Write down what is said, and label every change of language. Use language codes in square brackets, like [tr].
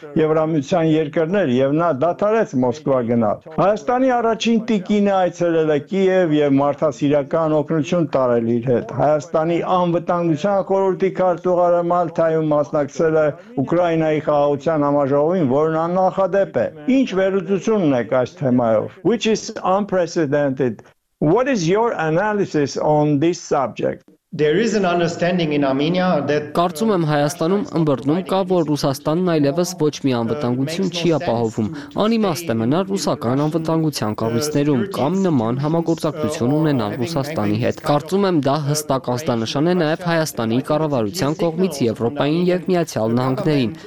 [hy] Եվրամիության երկրներ եւ նա դադարեց Մոսկվա գնալ։ Հայաստանի առաջին տիկինը այցելել է Կիև եւ մարդասիրական օգնություն տարել իր հետ։ Հայաստանի անվտանգության խորհրդի քարտուղարը Մալթայում մասնակցել է Ուկրաինայի խաղաղության համաժողովին, որն աննախադեպ է։ Ինչ վերլուծություն ունեք այս թեմայով? [en] Which is unprecedented. What is your analysis on this subject? There is an understanding in Armenia that [hy] Կարծում եմ, Հայաստանում ըմբռնում կա, որ Ռուսաստանն այլևս ոչ մի անվտանգություն չի ապահովում։ Անիմաստ է մնալ ռուսական անվտանգության կառույցներում կամ նման համագործակցություն ունենալ Ռուսաստանի հետ։ Կարծում եմ, դա հստակ ազդանշան է նաև Հայաստանի կառավարության կողմից Եվրոպային եւ Միացյալ Նահանգներին,